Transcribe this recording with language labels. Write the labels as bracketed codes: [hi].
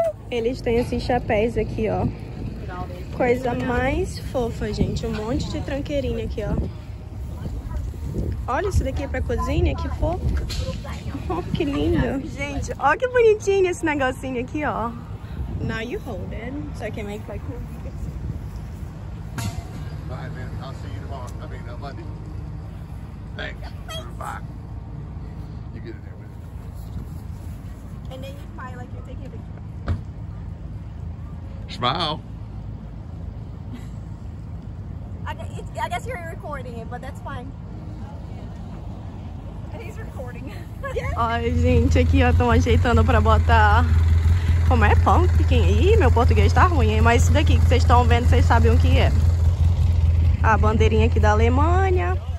[pt] Eles têm esses chapéus aqui, ó. Coisa mais fofa, gente. Um monte de tranqueirinha aqui, ó. Olha isso daqui, é pra cozinha, que fofo. Oh, que lindo. Gente, olha que bonitinho esse negocinho aqui, ó. [en] Now you hold it, so I can make like... Bye, man. I'll see you tomorrow. I mean, no money. Thanks. Bye. You get it there with it. And then you fly like you're taking the... Smile. I guess you're recording it, but that's fine. [pt] Ai, gente, aqui já estão ajeitando pra botar. Como é pumpkin? Ih, meu português tá ruim, hein? Mas isso daqui que vocês estão vendo, vocês sabem o que é. A bandeirinha aqui da Alemanha.